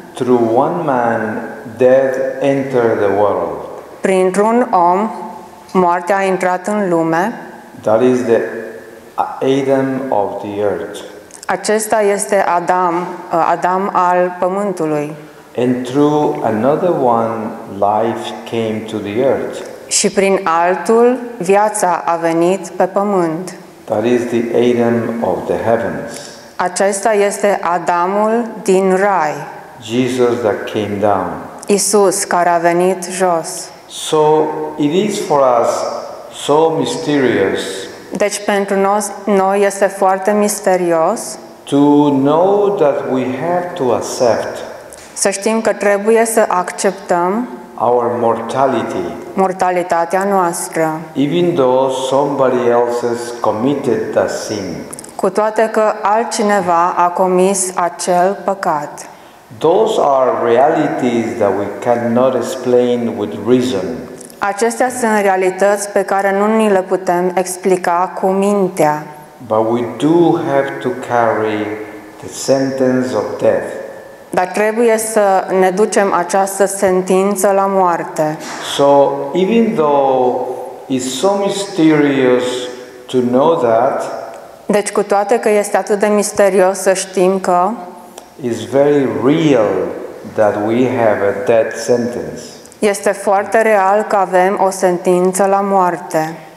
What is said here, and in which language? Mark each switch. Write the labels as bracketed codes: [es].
[en] Through one man, death entered the world. [ro] Printr-un om, moartea a intrat în lume. [en] That is the Adam of the earth. [ro] Acesta este Adam, Adam al pământului. [en] And through another one, life came to the earth. [ro] Și prin altul, viața a venit pe pământ. [en] That is the Adam of the heavens. [ro] Acesta este Adamul din rai. [en] Jesus that came down. [ro] Iisus care a venit jos. [en] So it is for us so mysterious. [ro] Deci pentru noi este foarte misterios. [en] To know that we have to accept. [ro] Să știm că trebuie să acceptăm [en] our mortality. [ro] Mortalitatea noastră. [en] Even though somebody else has committed the sin. [ro] Cu toate că altcineva a comis acel păcat. [en] Those are realities that we cannot explain with reason. [ro] Acestea sunt realități pe care nu ni le putem explica cu mintea. [en] But we do have to carry the sentence of death. [ro] Dar trebuie să ne ducem această sentință la moarte. [en] So, even though it's so mysterious to know that, [ro] deci cu toate că este atât de misterios să știm că [en] it's very real that we have a death sentence. [ro] Este foarte real că avem o sentință la moarte.